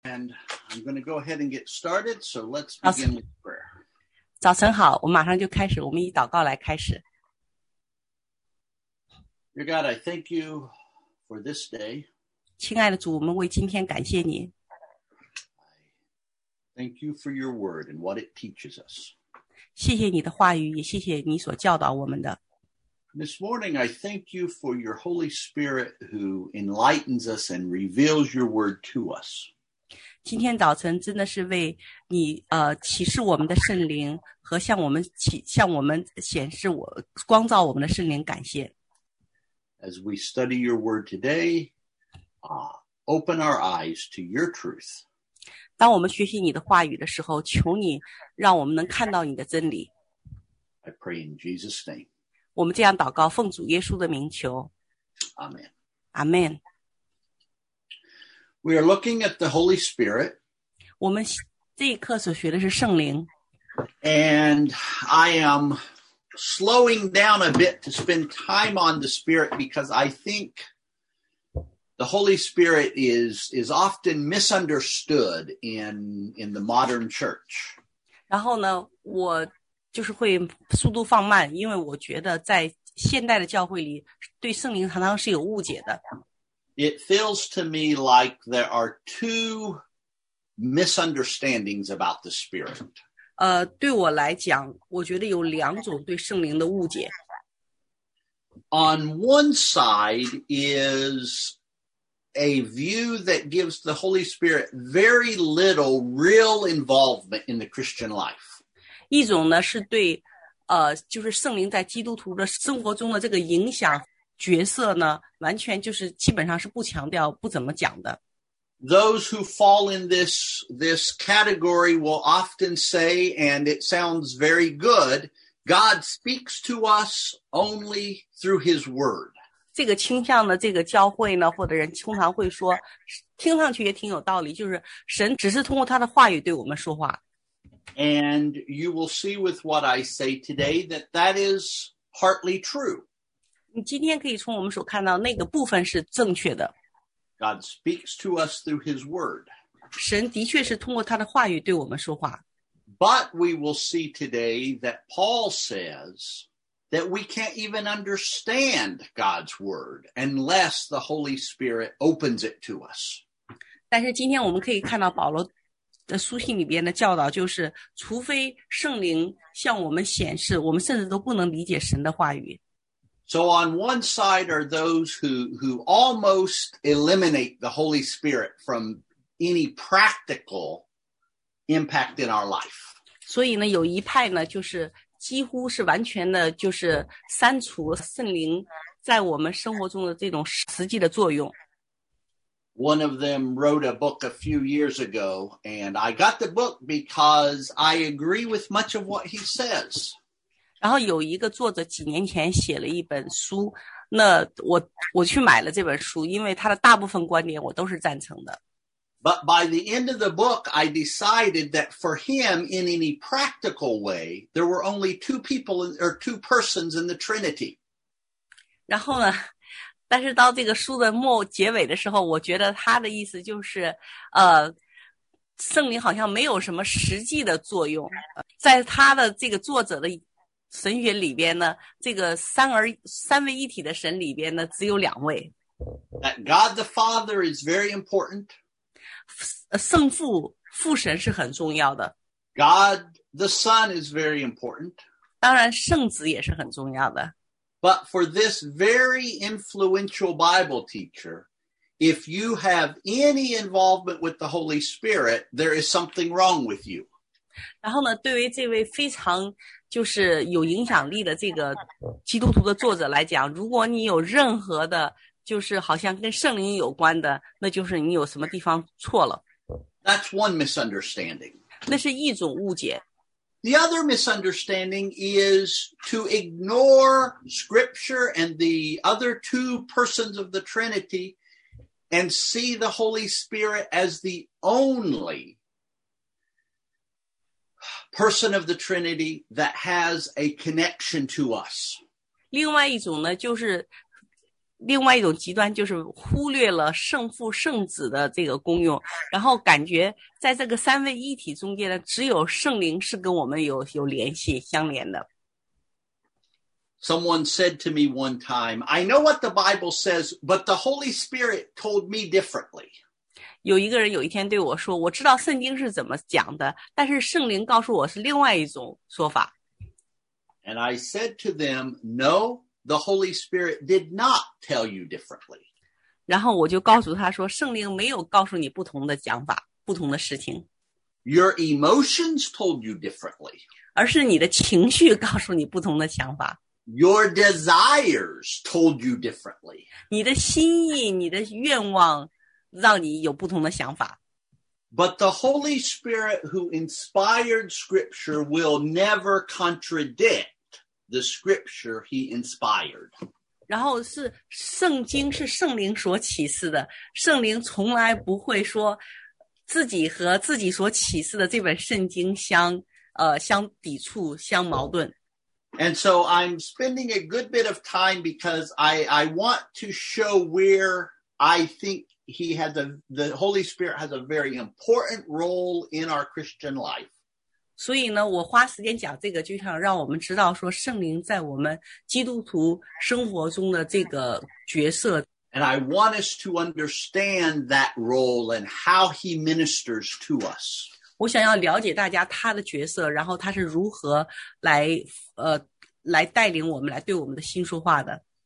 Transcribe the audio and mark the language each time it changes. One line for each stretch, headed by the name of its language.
English: And I'm going to go ahead and get started, so let's begin with prayer.
Chinese: 早晨好，我马上就开始，我们以祷告来开始。
English: Dear God, I thank you for this day.
Chinese: 亲爱的主，我们为今天感谢你。
English: I thank you for your word and what it teaches us.
Chinese: 谢谢你的话语，也谢谢你所教导我们的。
English: This morning, I thank you for your Holy Spirit who enlightens us and reveals your word to us.
Chinese: 今天早晨真的是为你启示我们的圣灵和向我们显示我光照我们的圣灵感谢。
English: As we study your word today, open our eyes to your truth.
Chinese: 当我们学习你的话语的时候，求你让我们能看到你的真理。
English: I pray in Jesus' name.
Chinese: 我们这样祷告，奉主耶稣的名求。
English: Amen. Amen. We are looking at the Holy Spirit.
Chinese: 我们这一课所学的是圣灵。
English: And I am slowing down a bit to spend time on the Spirit because I think the Holy Spirit is often misunderstood in the modern church.
Chinese: 然后呢，我就是会速度放慢，因为我觉得在现代的教会里，对圣灵常常是有误解的。
English: It feels to me like there are two misunderstandings about the Spirit.
Chinese: 对我来讲，我觉得有两种对圣灵的误解。
English: On one side is a view that gives the Holy Spirit very little real involvement in the Christian life.
Chinese: 一种呢是对，就是圣灵在基督徒的生活中的这个影响。角色呢，完全就是基本上是不强调，不怎么讲的。
English: Those who fall in this category will often say, and it sounds very good, God speaks to us only through His Word.
Chinese: 这个倾向的这个教会呢，或者人通常会说，听上去也挺有道理，就是神只是通过他的话语对我们说话。
English: And you will see with what I say today that that is partly true.
Chinese: 你今天可以从我们所看到那个部分是正确的。
English: God speaks to us through His Word.
Chinese: 神的确是通过他的话语对我们说话。
English: But we will see today that Paul says that we can't even understand God's Word unless the Holy Spirit opens it to us.
Chinese: 但是今天我们可以看到保罗的书信里边的教导就是除非圣灵向我们显示我们甚至都不能理解神的话语。
English: So on one side are those who almost eliminate the Holy Spirit from any practical impact in our life.
Chinese: 所以呢，有一派呢，就是几乎是完全的，就是删除圣灵在我们生活中的这种实际的作用。
English: One of them wrote a book a few years ago, and I got the book because I agree with much of what he says.
Chinese: 然后有一个作者几年前写了一本书，那我去买了这本书，因为他的大部分观点我都是赞成的。
English: But by the end of the book, I decided that for him, in any practical way, there were only two people or two persons in the Trinity.
Chinese: 然后呢，但是到这个书的末结尾的时候，我觉得他的意思就是，圣灵好像没有什么实际的作用，在他的这个作者的。神学里边呢，这个三位一体的神里边呢，只有两位。
English: That God the Father is very important.
Chinese: 圣父父神是很重要的。
English: God the Son is very important.
Chinese: 当然，圣子也是很重要的。
English: But for this very influential Bible teacher, if you have any involvement with the Holy Spirit, there is something wrong with you.
Chinese: 然后呢，对于这位非常就是有影响力的这个基督徒的作者来讲，如果你有任何的，就是好像跟圣灵有关的，那就是你有什么地方错了。
English: That's one misunderstanding.
Chinese: 那是一种误解。
English: The other misunderstanding is to ignore Scripture and the other two persons of the Trinity and see the Holy Spirit as the only. Person of the Trinity that has a connection to us.
Chinese: 另外一种呢，就是另外一种极端，就是忽略了圣父圣子的这个功用，然后感觉在这个三位一体中间呢，只有圣灵是跟我们有联系相连的。
English: Someone said to me one time, I know what the Bible says, but the Holy Spirit told me differently.
Chinese: 有一个人有一天对我说，我知道圣经是怎么讲的，但是圣灵告诉我是另外一种说法。
English: And I said to them, no, the Holy Spirit did not tell you differently.
Chinese: 然后我就告诉他说，圣灵没有告诉你不同的讲法，不同的事情。
English: Your emotions told you differently.
Chinese: 而是你的情绪告诉你不同的想法。
English: Your desires told you differently.
Chinese: 你的心意，你的愿望，让你有不同的想法。
English: But the Holy Spirit who inspired Scripture will never contradict the Scripture he inspired.
Chinese: 然后是圣经是圣灵所启示的，圣灵从来不会说自己和自己所启示的这本圣经相抵触，相矛盾。
English: And so I'm spending a good bit of time because I want to show where I think the Holy Spirit has a very important role in our Christian life.
Chinese: 所以呢，我花时间讲这个，就想让我们知道说圣灵在我们基督徒生活中的这个角色。
English: And I want us to understand that role and how he ministers to us.
Chinese: 我想要了解大家他的角色，然后他是如何来带领我们，来对我们的心说话的。